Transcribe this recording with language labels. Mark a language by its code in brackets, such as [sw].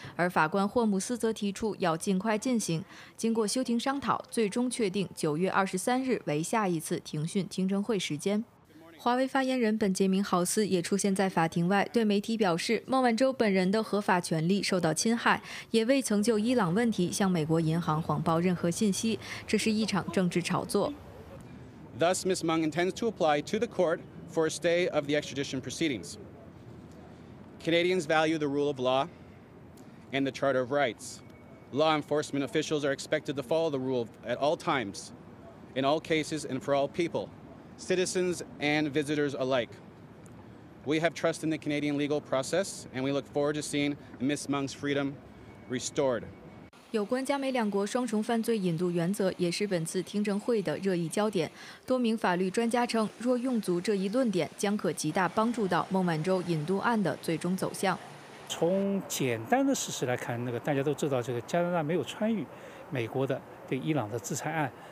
[zh] 而法官霍姆斯则提出要尽快进行，经过休庭商讨，最终确定9月23日为下一次聆讯听证会时间。华为发言人本杰明·豪斯也出现在法庭外，对媒体表示，孟晚舟本人的合法权利受到侵害，也未曾就伊朗问题向美国银行谎报任何信息，这是一场政治炒作。 [en] Thus, Ms. Meng intends to apply to the court for a stay of the extradition proceedings. Canadians value the rule of law and the Charter of Rights. Law enforcement officials are expected to follow the rule at all times, in all cases, and for all people, citizens and visitors alike. We have trust in the Canadian legal process, and we look forward to seeing Ms. Meng's freedom restored. [zh] 有关加美两国双重犯罪引渡原则也是本次听证会的热议焦点。多名法律专家称，若用足这一论点，将可极大帮助到孟晚舟引渡案的最终走向。从简单的事实来看，那个大家都知道，这个加拿大没有参与美国的对伊朗的制裁案。